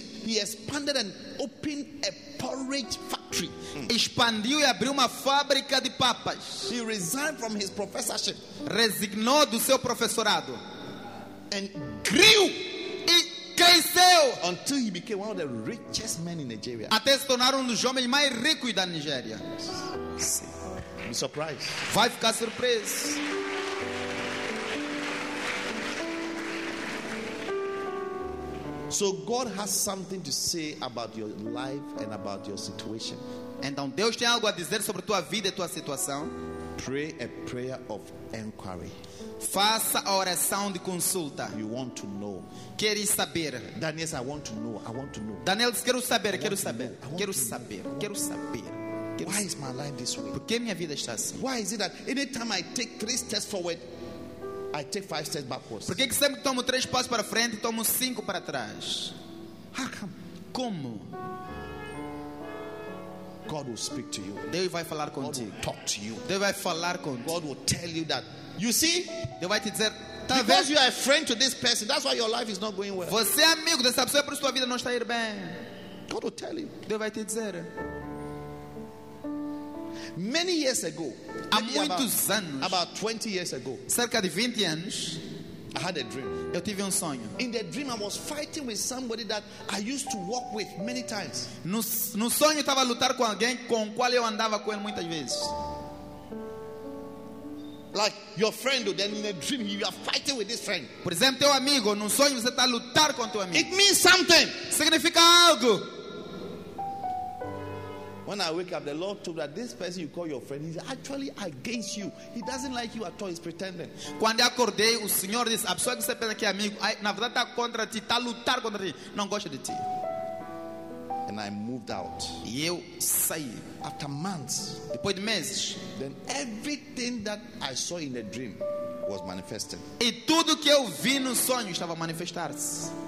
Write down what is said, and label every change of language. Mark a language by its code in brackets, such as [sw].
[en] He expanded and opened a porridge factory. [pt] Expandiu e abriu uma fábrica de papas. [en] He resigned from his professorship. [pt] Resignou do seu professorado. [en] And grew. [pt] E cresceu. [en] Until he became one of the richest men in Nigeria. [pt] Até se tornar um dos homens mais ricos da Nigéria. [en] Be surprised. [pt] Vai ficar surpreso. [en] So God has something to say about your life and about your situation. [pt] Então Deus tem algo a dizer sobre tua vida e tua situação. [en] Pray a prayer of inquiry. [pt] Faça a oração de consulta. [en] You want to know. [pt] Queres saber? [en] Daniel, I want to know. I want to know. [pt] Daniel, quero saber. Quero saber. Quero saber. Quero saber. [en] Why is my life this way? [pt] Por que minha vida está assim? [en] Why is it that anytime I take 3 steps forward, I take 5 steps backwards. [pt] Por que sempre que tomo 3 passos para frente, tomo 5 para trás? [en] How come? [pt] Como? [en] God will speak to you. [pt] Deus vai falar contigo. [en] God will talk to you. [pt] Deus vai falar contigo. [en] God will tell you that. You see? [pt] Deus vai te dizer, tá vendo? [en] Because you are a friend to this person, that's why your life is not going well. [pt] Você é amigo dessa pessoa, por isso tua vida não está indo bem. [en] God will tell you. [pt] Deus vai te dizer. [en] Many years ago, [pt] há muitos anos, [en] about 20 years ago, [pt] cerca de 20 anos, [en] I had a dream. [pt] Eu tive sonho. [en] In the dream, I was fighting with somebody that I used to walk with many times. [pt] No sonho, estava a lutar com alguém com qual eu andava com ele muitas vezes. [en] Like your friend, then in a dream you are fighting with this friend. [pt] Por exemplo, teu amigo, no sonho você está a lutar com teu amigo. [en] It means something. [pt] Significa algo. [en] When I wake up, the Lord told me that this person you call your friend is actually against you. He doesn't like you at all. He's pretending. [pt] Quando acordei, o Senhor disse: "A pessoa que você pensa que é amigo, na verdade está contra ti, está a lutar contra ti, não gosta de ti." [en] And I moved out. [pt] E eu saí. [en] After months, [pt] depois de meses, [en] then everything that I saw in the dream was manifesting. [pt] E tudo que eu vi no sonho estava manifestar-se.